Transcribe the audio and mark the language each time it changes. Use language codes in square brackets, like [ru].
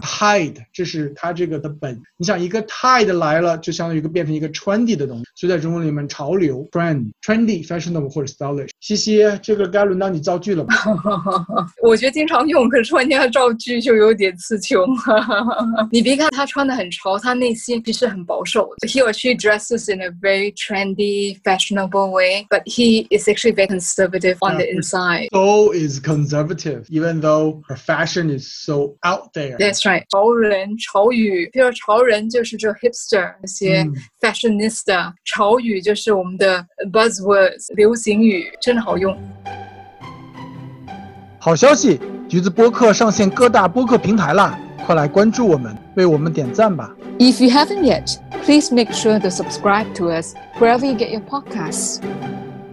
[zh] Tide 这是它这个的本，你想一个 tide 来了就相当于变成一个 trendy 的东西，所以在中文里面潮流 trendy fashionable 或者 stylish。西西，这个该轮到你造句了吧？我觉得经常用，可是关键要造句就有点刺穷。你别看他穿得很潮，他内心其实很保守。 [en] He or she dresses in a very trendy fashionable way, but he is actually very conservative on the inside. So is conservative, even thoughher fashion is so out there. That's right. [zh] 潮人潮语，比如潮人就是这 hipster 那些 fashionista、潮语就是我们的 buzzwords 流行语，真的好用。好消息，橘子播客上线各大播客平台啦，快来关注我们，为我们点赞吧。 [en] If you haven't yet, please make sure to subscribe to us wherever you get your podcasts.